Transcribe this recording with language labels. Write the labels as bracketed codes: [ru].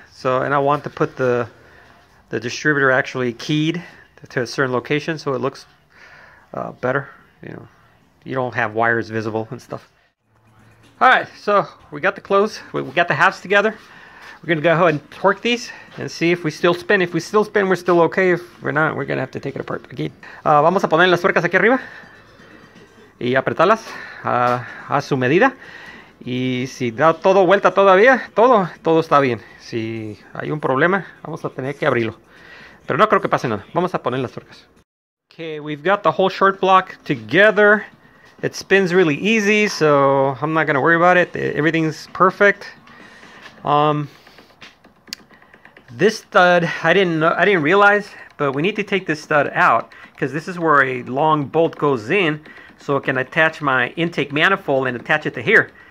[en] So, and I want to put the distributor actually keyed to a certain location so it looks better. You know, you don't have wires visible and stuff. All right, so we got the clothes. We got the halves together. We're going to go ahead and torque these and see if we still spin. If we still spin, we're still okay. If we're not, we're going to have to take it apart again. [es] Vamos a poner las tuercas aquí arriba y apretarlas a su medida. Y si da todo vuelta todavía, todo está bien. Si hay un problema, vamos a tener que abrirlo. Pero no creo que pase nada. Vamos a poner las tuercas. [en] Okay, we've got the whole short block together. It spins really easy, so I'm not going to worry about it. Everything's perfect. This stud, I didn't realize, but we need to take this stud out because this is where a long bolt goes in so it can attach my intake manifold and attach it to here.